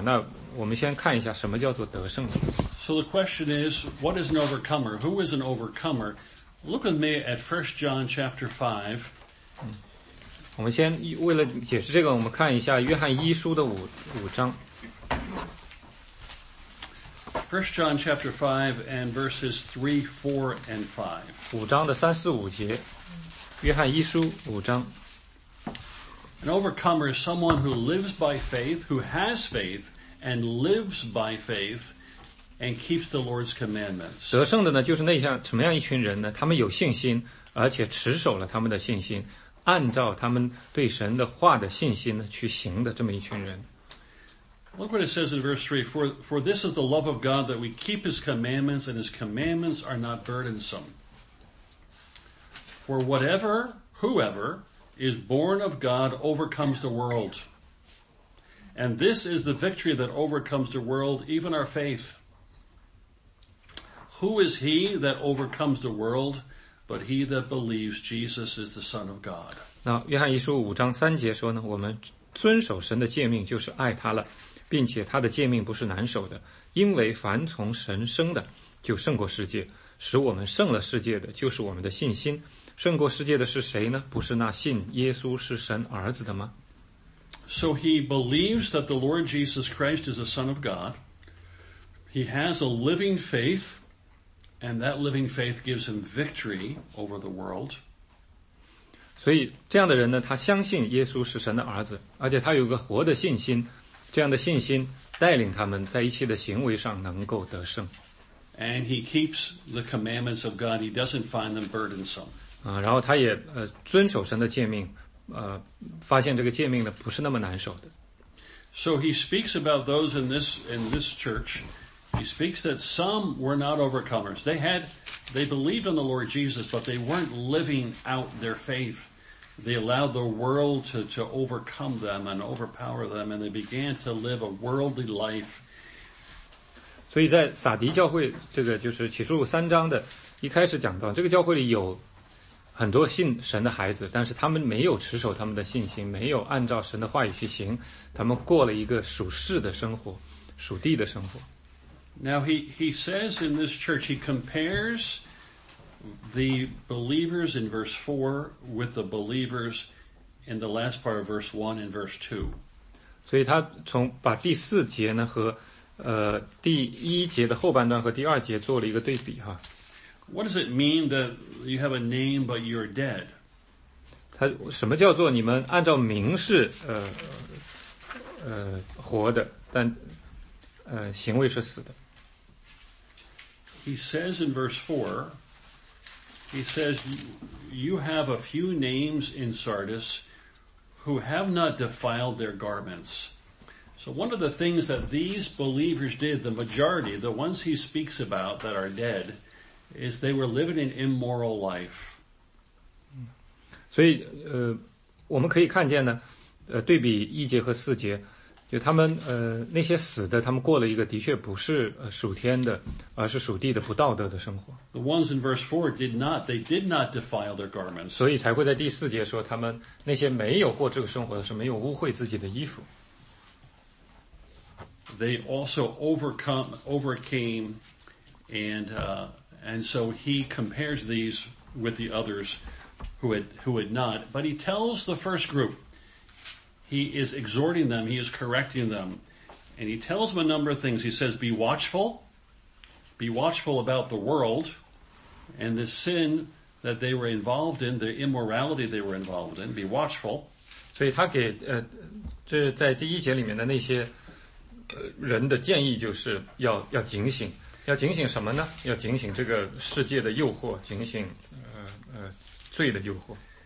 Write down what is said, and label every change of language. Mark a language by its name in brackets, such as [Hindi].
[Chinese] 那我们先看一下什么叫做得胜的。 [English] So the question is, what is an overcomer? Who is an overcomer? Look with me at 1 John chapter 5. [Chinese] 我们先为了解释这个，我们看一下约翰一书的五章。 [English] 1 John chapter 5 and verses 3, 4, and 5. [Chinese] 五章的三四五节，约翰一书五章。 [English] An overcomer is someone who lives by faith, who has faith, and lives by faith, and keeps the Lord's commandments. [Chinese] 得胜的呢，就是那像什么样一群人呢？他们有信心，而且持守了他们的信心，按照他们对神的话的信心呢去行的这么一群人。 [English] Look what it says in verse 3, for this is the love of God, that we keep his commandments, and his commandments are not burdensome. For whatever, whoever, is born of God overcomes the world. And this is the victory that overcomes the world, even our faith. Who is he that overcomes the world, but he that believes Jesus is the Son of God? [Chinese] 那约翰一书五章三节说呢，我们遵守神的诫命就是爱他了。并且他的诫命不是难守的，因为凡从神生的就胜过世界，使我们胜了世界的就是我们的信心。胜过世界的是谁呢？不是那信耶稣是神儿子的吗？ [English] So he believes that the Lord Jesus Christ is the Son of God. He has a living faith, and that living faith gives him victory over the world. [Chinese] 所以这样的人呢，他相信耶稣是神的儿子，而且他有个活的信心，这样的信心带领他们在一切的行为上能够得胜。 [English] And he keeps the commandments of God. He doesn't find them burdensome. [Chinese] 然后他也遵守神的诫命，发现这个诫命呢不是那么难守的。 [English] So he speaks about those in this church. He speaks that some were not overcomers. They believed in the Lord Jesus, but they weren't living out their faith. They allowed the world to overcome them and overpower them, and they began to live a worldly life. [Chinese] 所以在撒迪教会，这个就是启示录三章的一开始讲到，这个教会里有很多信神的孩子，但是他们没有持守他们的信心，没有按照神的话语去行，他们过了一个属世的生活，属地的生活。 [English] Now he says in this church, he compares the believers in verse 4 with the believers in the last part of verse 1 and verse 2. [Chinese] 所以他从把第四节呢和第一节的后半段和第二节做了一个对比哈。 [English] What does it mean that you have a name but you're dead? [Chinese] 他什么叫做你们按照名是活的，但行为是死的。 [English] He says in verse 4,He says, you have a few names in Sardis who have not defiled their garments. So one of the things that these believers did, the majority, the ones he speaks about that are dead, is they were living an immoral life. [Chinese] 所以我们可以看见呢，对比一节和四节，就他们那些死的，他们过了一个的确不是属天的，而是属地的不道德的生活。 [English] The ones in verse 4 did not defile their garments. [Chinese] 所以才会在第四节说，他们那些没有过这个生活的是没有污秽自己的衣服。 [English] They also overcame, and so he compares these with the others who had not. But he tells the first group. He is exhorting them. He is correcting them. And he tells them a number of things. He says, be watchful. Be watchful about the world and the sin that they were involved in, the immorality they were involved in, be watchful. [Chinese] 所以他给这在第一节里面的那些人的建议就是要警醒，要警醒什么呢？要警醒这个世界的诱惑，警醒罪的诱惑。